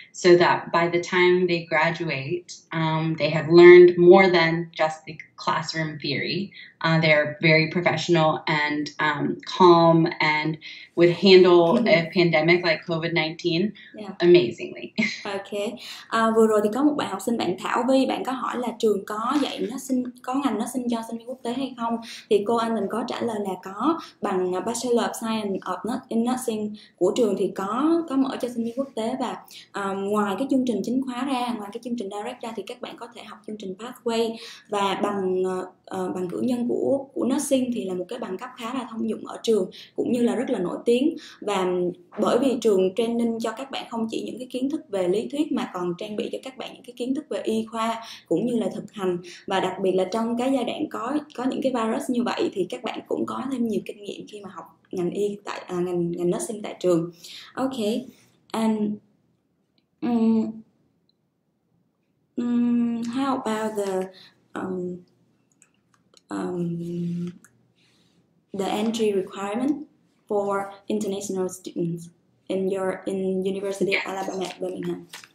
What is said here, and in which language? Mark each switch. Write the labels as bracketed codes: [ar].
[en] So that by the time they graduate, they have learned more than just the classroom theory. They're very professional and calm and would handle a pandemic like COVID-19 amazingly. Okay. [vi] Vừa rồi thì có một bạn học sinh bạn Thảo Vy, bạn có hỏi là trường có dạy nó sinh, có ngành nó sinh cho sinh viên quốc tế hay không? Thì cô anh mình có trả lời là có, bằng Bachelor of Science of in Nursing của trường thì có mở cho sinh viên quốc tế. Và ngoài cái chương trình chính khóa ra, ngoài cái chương trình direct ra thì các bạn có thể học chương trình pathway và bằng bằng cử nhân của nursing thì là một cái bằng cấp khá là thông dụng ở trường cũng như là rất là nổi tiếng. Và bởi vì trường training cho các bạn không chỉ những cái kiến thức về lý thuyết mà còn trang bị cho các bạn những cái kiến thức về y khoa cũng như là thực hành, và đặc biệt là trong cái giai đoạn có những cái virus như vậy thì các bạn cũng có thêm nhiều kinh nghiệm khi mà học ngành y tại ngành nursing tại trường. Okay. [en] And how about the entry requirement for international students in University of Alabama at Birmingham?